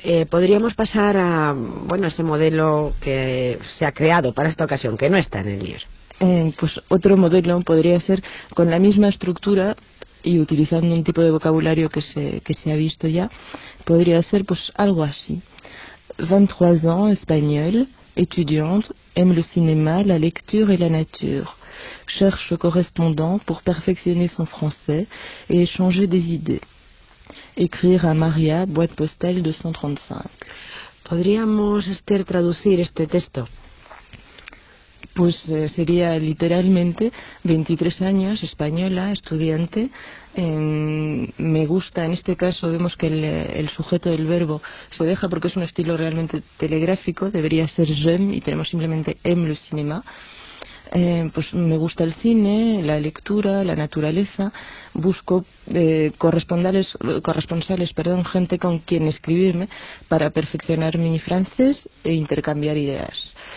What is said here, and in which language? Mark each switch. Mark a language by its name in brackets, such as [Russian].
[Spanish] Podríamos pasar a ese modelo que se ha creado para esta ocasión, que no está en el libro. Pues otro modelo podría ser con la misma estructura y utilizando un tipo de vocabulario que se ha visto ya, podría ser pues algo así. [French] 23 ans, español, étudiante, aime le cinéma, la lecture et la nature. Cherche correspondant pour perfectionner son français et échanger des idées. Écrire à Maria, boîte postale 235. [Spanish] ¿Podríamos, Esther, traducir este texto? Pues sería literalmente 23 años, española, estudiante, me gusta, en este caso vemos que el sujeto del verbo se deja porque es un estilo realmente telegráfico, debería ser j'aime y tenemos simplemente [French] aime le cinéma, [Spanish] pues me gusta el cine, la lectura, la naturaleza, busco corresponsales, gente con quien escribirme para perfeccionar mi francés e intercambiar ideas.